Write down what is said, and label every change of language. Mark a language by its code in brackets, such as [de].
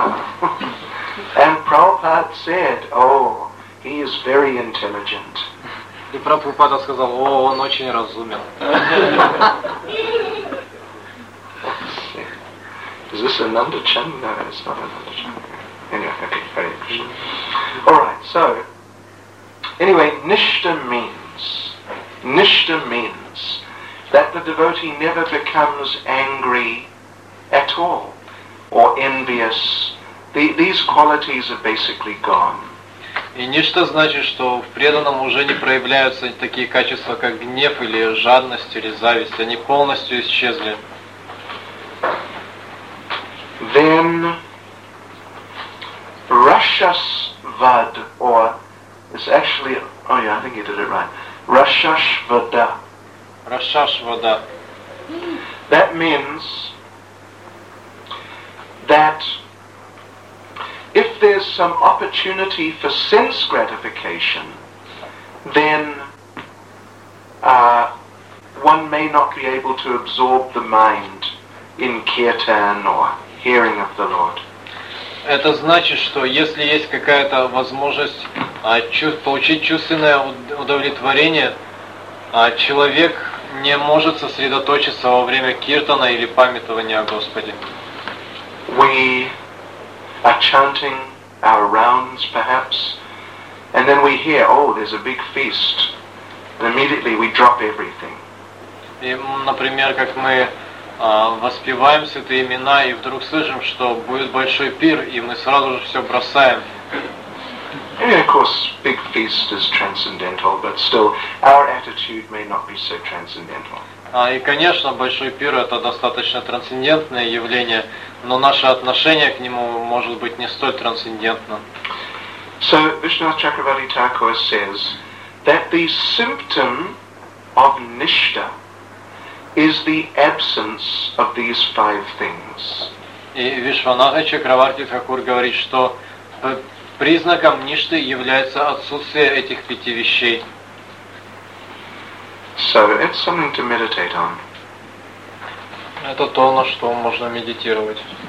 [en] And Prabhupada said, oh, he is very intelligent. [ru] И Прабхупада сказал, о, он очень разумен. [en] Is this Ananda Chan? No, it's not Ananda Chan. Anyway, okay, very interesting. All right, so, anyway, nishta means that the devotee never becomes angry at all. Or envious. These qualities are basically gone. [ru] И ничто значит, что в преданном уже не проявляются такие качества, как гнев или жадность или зависть. Они полностью исчезли. [en] Then rashasvad, or it's actually, oh yeah, I think you did it right. Rashasvada. Rashasvada. That means that if there's some opportunity for sense gratification, then one may not be able to absorb the mind in kirtan or hearing of the Lord. [ru] Это значит, что если есть какая-то возможность получить чувственное удовлетворение, человек не может сосредоточиться во время киртана или памятования о Господе. [en] We are chanting our rounds, perhaps, and then we hear, oh, there's a big feast, and immediately we drop everything. [ru] И, например, как мы воспеваем святые имена, и вдруг слышим, что будет большой пир, и мы сразу же все бросаем. [en] And of course, big feast is transcendental, but still, our attitude may not be so transcendental. [ru] И, конечно, большой пир – это достаточно трансцендентное явление, но наше отношение к нему может быть не столь трансцендентным. [en] So, Vishnath Chakravarti Thakur says that the symptom of nishta is the absence of these five things. [ru] И Вишванатх Чакраварти Такур говорит, что признаком ништы является отсутствие этих пяти вещей. [en] So it's something to meditate on. [ru] Это то, на что можно медитировать.